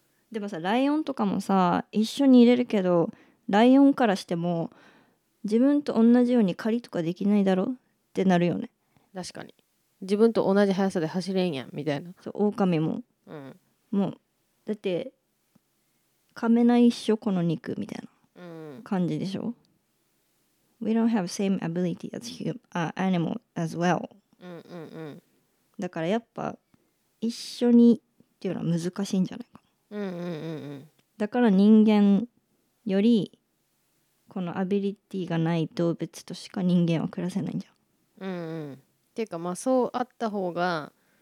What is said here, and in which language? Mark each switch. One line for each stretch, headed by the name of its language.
Japanese: でもさ、ライオンとかもさ一緒にいれるけど、ライオンからしても自分と同じように狩りとかできないだろってなるよね。確かに、自分と同じ速さで走れんやんみたいな。そう、オオカミも、うん、もうだって噛めないっしょこの肉みたいな感じでしょ、うん、
English: We don't have same ability as human, animal as well. うんうんうん。
Japanese: だからやっぱ一緒にっていうのは難しいんじゃないか。うんうんうんうん。だから人間よりこのアビリティがない動物としか人間は暮らせないんじゃん。うんうん。ていうかまあそうあった方が